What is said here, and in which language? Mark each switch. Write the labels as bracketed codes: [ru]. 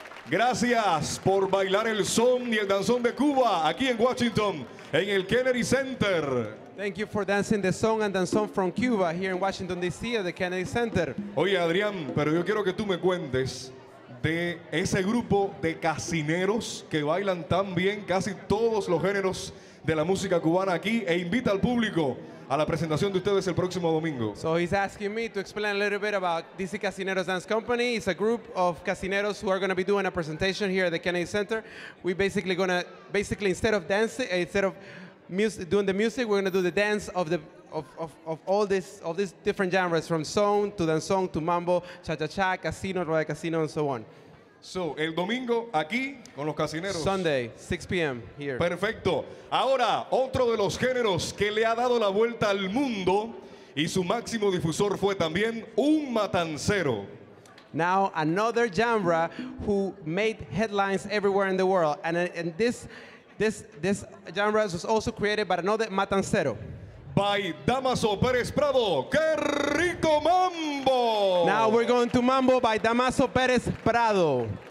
[es] Gracias por bailar el son y el danzón de Cuba aquí en Washington, en el Kennedy Center. [en] Thank you for dancing the song and danzón from Cuba here in Washington D.C. at the Kennedy Center. [es] Oye, Adrián, pero yo quiero que tú me cuentes de ese grupo de casineros que bailan tan bien casi todos los géneros de la música cubana aquí e invita al público a la presentación de ustedes el próximo domingo. [en] So he's asking me to explain a little bit about DC Casineros Dance Company. It's a group of casineros who are going to be doing a presentation here at the Kennedy Center. We're basically going to, basically instead of dancing, instead of music, doing the music, we're going to do the dance of the of all this, of these different genres, from song to dance song to mambo, cha-cha-cha, casino, rueda de casino, and so on. [es] So, el domingo aquí con los casineros. [en] Sunday, 6 p.m. here. [es] Perfecto. Ahora, otro de los géneros que le ha dado la vuelta al mundo y su máximo difusor fue también un matancero. [en] Now, another genre who made headlines everywhere in the world. And this genre was also created by another matancero. [es] By Damaso Pérez Prado. ¡Qué rico mambo! [en] Now we're going to mambo by Damaso Pérez Prado.